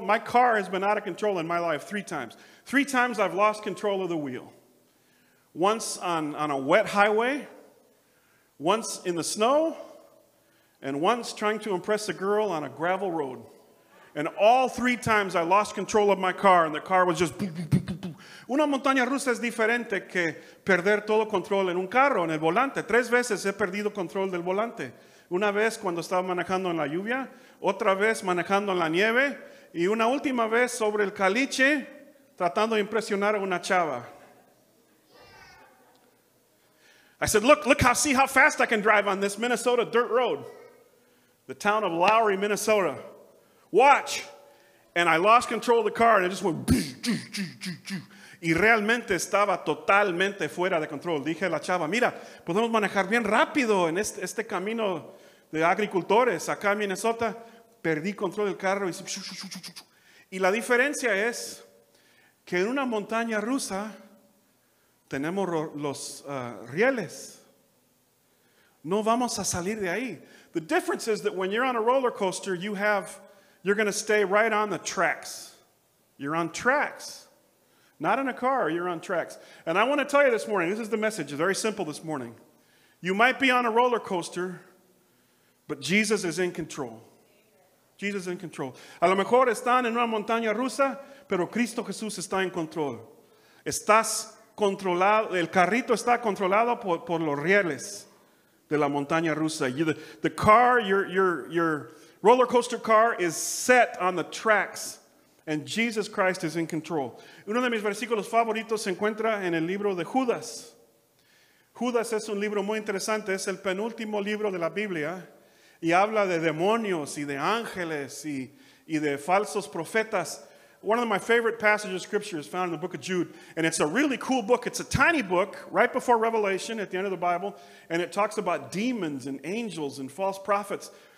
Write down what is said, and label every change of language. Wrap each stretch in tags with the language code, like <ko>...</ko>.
<en>My car has been out of control in my life 3 times. 3 times I've lost control of the wheel. Once on a wet highway, once in the snow, and once trying to impress a girl on a gravel road. And all 3 times I lost control of my car, and the car was just boo, boo, boo, boo, boo.</en> <es>Una montaña rusa es diferente que perder todo control en un carro, en el volante. 3 veces he perdido control del volante. Una vez cuando estaba manejando en la lluvia, otra vez manejando en la nieve, y una última vez sobre el caliche, tratando de impresionar a una chava.</es> <en>I said, look how fast I can drive on this Minnesota dirt road. The town of Lowry, Minnesota. Watch. And I lost control of the car, and it just went, bzz, bzz, bzz, bzz, bzz.</en> <es>Y realmente estaba totalmente fuera de control. Dije a la chava, mira, podemos manejar bien rápido en este camino de agricultores acá en Minnesota. Perdí control del carro. Y la diferencia es que en una montaña rusa tenemos los rieles. No vamos a salir de ahí.</es> <en>The difference is that when you're on a roller coaster, you have You're going to stay right on the tracks. You're on tracks. Not in a car, you're on tracks. And I want to tell you this morning, this is the message, it's very simple this morning. You might be on a roller coaster, but Jesus is in control. Jesus is in control.</en> <es>A lo mejor están en una montaña rusa, pero Cristo Jesús está en control. Estás controlado, el carrito está controlado por los rieles de la montaña rusa.</es> <en>The car, your roller coaster car is set on the tracks. And Jesus Christ is in control.</en> <es>Uno de mis versículos favoritos se encuentra en el libro de Judas. Judas es un libro muy interesante. Es el penúltimo libro de la Biblia. Y habla de demonios y de ángeles y de falsos profetas.</es> <en>One of my favorite passages of scripture is found in the book of Jude. And it's a really cool book. It's a tiny book right before Revelation at the end of the Bible. And it talks about demons and angels and false prophets.</en>